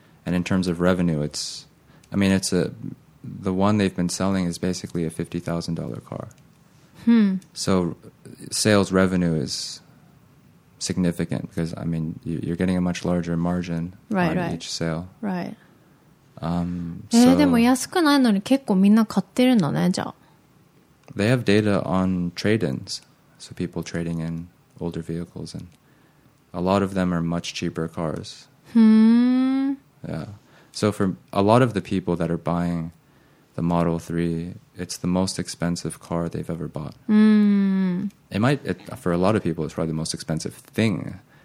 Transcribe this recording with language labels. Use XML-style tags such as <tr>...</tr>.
<en>And in terms of revenue, it's... I mean, it's a... The one they've been selling is basically a $50,000 car.、So sales revenue is significant because, I mean, you're getting a much larger margin right, on right. each sale. Right. So,</en> <ja>でも安くないのに結構みんな買ってるんだねじゃあ</ja> <en>They have data on trade-ins So people trading in older vehicles And a lot of them are much cheaper cars Yeah So for a lot of the people that are buying the Model 3 It's the most expensive car they've ever bought It might, for a lot of people it's probably the most expensive thing</en>